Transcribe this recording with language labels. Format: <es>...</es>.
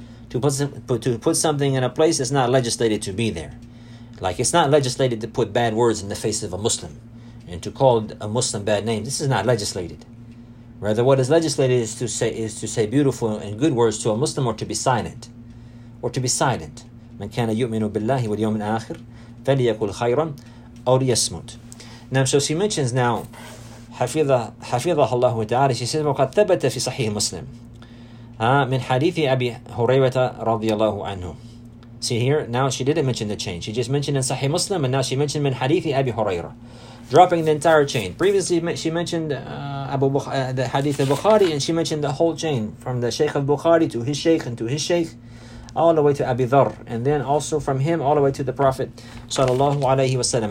<en>To put something in a place that's not legislated to be there. Like, it's not legislated to put bad words in the face of a Muslim. And to call a Muslim bad names. This is not legislated. Rather, what is legislated is to say beautiful and good words to a Muslim, or to be silent. Or to be silent.</en> <ar>من كان يؤمن بالله واليوم الآخر فليكن خيرا أو ليصمت.</ar> <en>Now, so she mentions now,</en> <ar>حفظه الله تعالى.</ar> <en>She says,</en> <ar>وقد ثبت في صحيح مسلم من حديث أبي هريرة رضي الله عنه.</ar> <en>See here, now she didn't mention the chain. She just mentioned in صحيح مسلم, and now she mentioned</en> <ar>من حديث أبي هريرة.</ar> <en>Dropping the entire chain. Previously, she mentioned the hadith of Bukhari, and she mentioned the whole chain from the Sheikh of Bukhari to his Sheikh and to his Sheikh, all the way to Abi Dharr, and then also from him all the way to the Prophet sallallahu alaihi wasallam.</en>